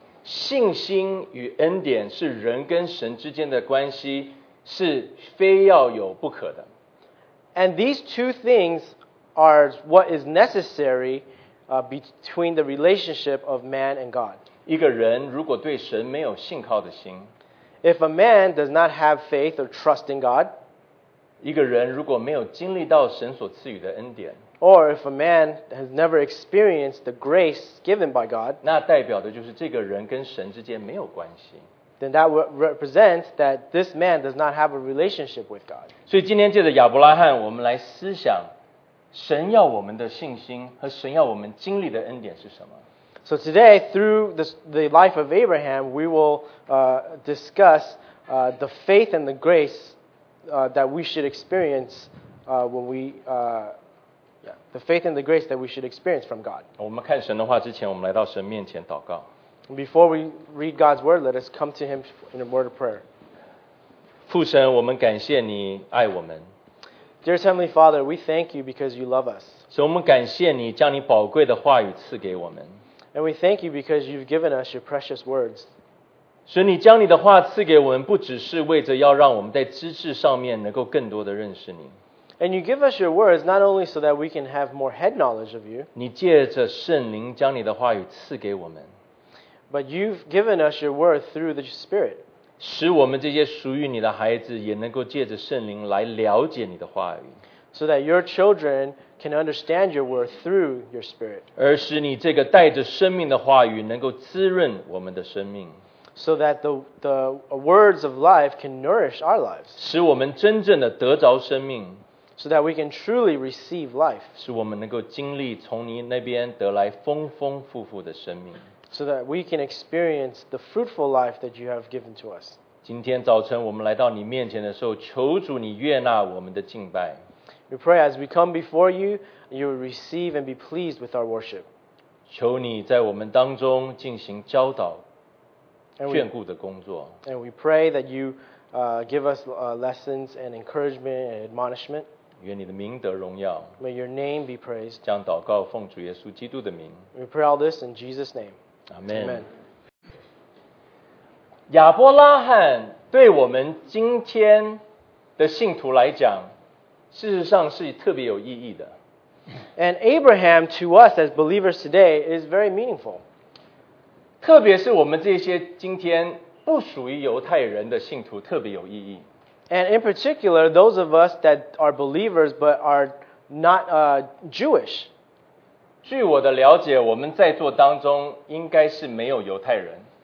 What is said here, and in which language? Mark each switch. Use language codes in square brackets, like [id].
[zh] 信心与恩典是人跟神之间的关系，是非要有不可的。 [en] And these two things are what is necessary between the relationship of man and God. [zh] 一个人如果对神没有信靠的心， [en] If a man does not have faith or trust in God, [zh] 一个人如果没有经历到神所赐予的恩典, [en] or if a man has never experienced the grace given by God, [zh] 那代表的就是这个人跟神之间没有关系。 [en] Then that represents that this man does not have a relationship with God. [zh] 所以今天借着亚伯拉罕，我们来思想神要我们的信心和神要我们经历的恩典是什么。 [en] So today, through the life of Abraham, we will discuss the faith and the grace that we should experience the faith and the grace that we should experience from God. [zh] 我们看神的话之前，我们来到神面前祷告。 [en] Before we read God's word, let us come to Him in a word of prayer. [zh] 父神，我们感谢你爱我们。 [en] Dear Heavenly Father, we thank you because you love us. [zh] 所以我们感谢你将你宝贵的话语赐给我们。 [en] And we thank you because you've given us your precious words. [zh] 所以你将你的话赐给我们，不只是为着要让我们在知识上面能够更多的认识你。 [en] And you give us your words not only so that we can have more head knowledge of you. [zh] 你借着圣灵将你的话语赐给我们。 [en] But you've given us your word through the Spirit. [zh] 使我们这些属于你的孩子也能够借着圣灵来了解你的话语。 [en] So that your children can understand your word through your spirit. [zh] 而使你这个带着生命的话语能够滋润我们的生命。 [en] So that the words of life can nourish our lives. [zh] 使我们真正的得着生命。 [en] So that we can truly receive life. [zh] 使我们能够经历从你那边得来丰丰富富的生命。 [en] So that we can experience the fruitful life that you have given to us. [zh] 今天早晨我们来到你面前的时候，求主你悦纳我们的敬拜。 [en] We pray as we come before you, you will receive and be pleased with our worship. [zh] 求你在我们当中进行教导、眷顾的工作。 [en] And we pray that you give us lessons and encouragement and admonishment. [zh] 愿你的名得荣耀。 [en] May your name be praised. [zh] 将祷告奉主耶稣基督的名。 [en] We pray all this in Jesus' name. Amen. Amen. [zh] 亚伯拉罕对我们今天的信徒来讲，事实上是特别有意义的。 [en] And Abraham to us as believers today is very meaningful. [zh] 特别是我们这些今天不属于犹太人的信徒特别有意义。 [en] And in particular, those of us that are believers but are not Jewish. [zh] 据我的了解，我们在座当中应该是没有犹太人。